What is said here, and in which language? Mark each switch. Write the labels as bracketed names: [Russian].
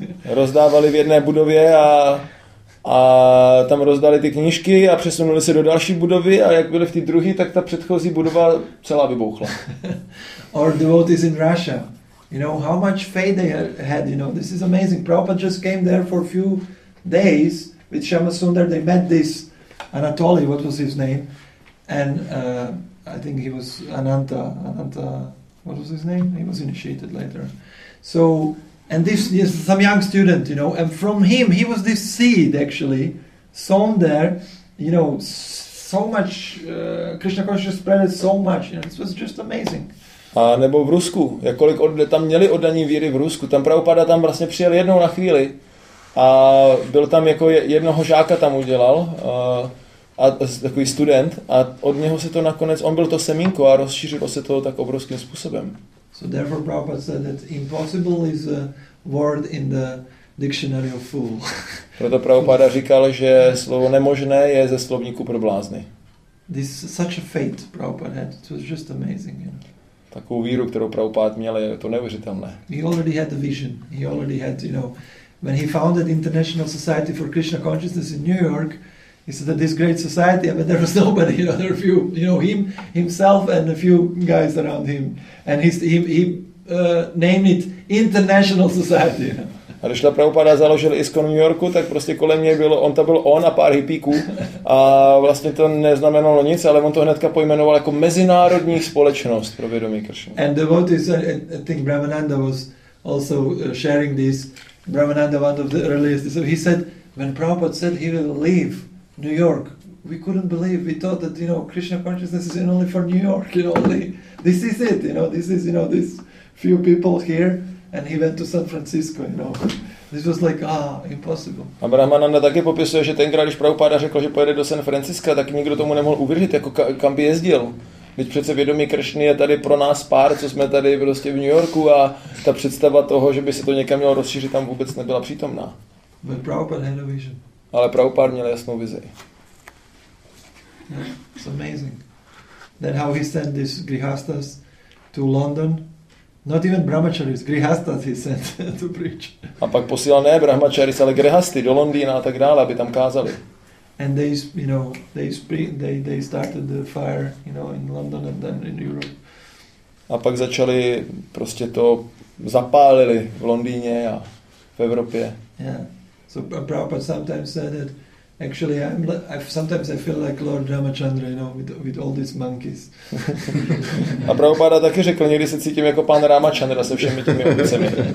[Czech] rozdávali v jedné budově a tam rozdali ty knížky a přesunuli se do další budovy a jak byli v té druhé, tak ta předchozí budova celá vybouchla. [English] Our devotees in Russia, how much faith they had, this is amazing. Prabhupada just came there for a few days with Shama Sundar. They met this Anatoly, what was his name? And I think he was Ananta, what was his name? He was initiated later. So, and this is some young student, and from him, he was this seed, actually, sown there, so much, Krishna consciousness spread it so much, it was just amazing. [Czech] A nebo v Rusku, jakkoliv tam měli oddaní víry v Rusku, tam Prabhupada tam vlastně přijel jednou na chvíli a byl tam jako jednoho žáka tam udělal, takový student, a od něho se to nakonec, on byl to semínko a rozšířilo se to tak obrovským způsobem. [English] So therefore Prabhupada said that impossible is a word in the dictionary of fool. [Czech] Proto Prabhupada říkal, že slovo nemožné je ze slovníku pro blázny. [English] This is such a faith Prabhupada had. It was just amazing. [Czech] Takovou víru, kterou Prabhupada měl, je to neuvěřitelné. [English] He already had a vision. He already had, when he founded International Society for Krishna Consciousness in New York, he said that this great society, but there was nobody, there were a few, himself and a few guys around him. And he named it International Society. [Czech] A když Srila Prabhupada založil ISKCON New Yorku, tak prostě kolem něj bylo, on to byl on a pár hippíků. A vlastně to neznamenalo nic, ale on to hnedka pojmenoval jako mezinárodní společnost pro vědomí Kršiny. [English] And the vote is, I think Brahmananda was also sharing this. Brahmananda, one of the earliest, so he said, when Prabhupada said he will leave New York, we couldn't believe. We thought that, Krishna consciousness is only for New York, only this is it, this few people here, and he went to San Francisco, you know. This was like impossible. [Czech] A Brahmananda taky popisuje, že tenkrát, když Prabhupada řekl, že pojede do San Francisco, tak nikdo tomu nemohl uvěřit, jako kam by jezdil. Veď přece vědomí Kršny je tady pro nás pár, co jsme tady prostě v New Yorku, a ta představa toho, že by se to někam mělo rozšířit, tam vůbec nebyla přítomná. [English] But Prabhupada had a vision. [Czech] Ale Prabhupada měl jasnou vizi. [English] It's amazing. Then how he sent this grihastas to London. Not even brahmacharis, grihastas he sent to preach. [Czech] A pak posílal ne brahmacharis, ale grihasty do Londýna a tak dále, aby tam kázali. [English] And they, you know, they started the fire, you know, in London and then in Europe. [Czech] A pak začali prostě to zapálili v Londýně a v Evropě. [English] Yeah. So Prabhupada sometimes said that actually I feel like Lord Ramachandra, you know, with all these monkeys. [Czech] A Prabhupada taky řekl, někdy se cítím jako pan Ramachandra se všemi těmi ovcemi.